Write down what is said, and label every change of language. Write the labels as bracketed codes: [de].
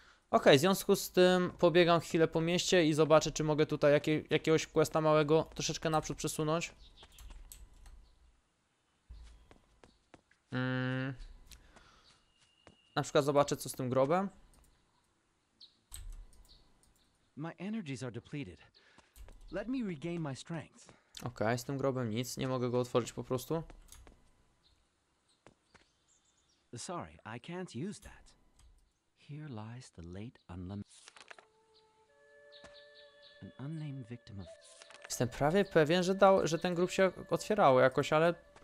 [pl] Okej, w związku z tym pobiegam chwilę po mieście i zobaczę, czy mogę tutaj jakiegoś questa małego troszeczkę naprzód przesunąć. Na przykład zobaczę, co z tym grobem. [en] My energies are depleted. Let me regain my strength. [pl] Okej, z tym grobem nic, nie mogę go otworzyć po prostu. [en] Sorry, I can't use that. Here lies the late an unnamed victim of. [pl] Jestem prawie pewien, że ten grób się otwierał jakoś, ale.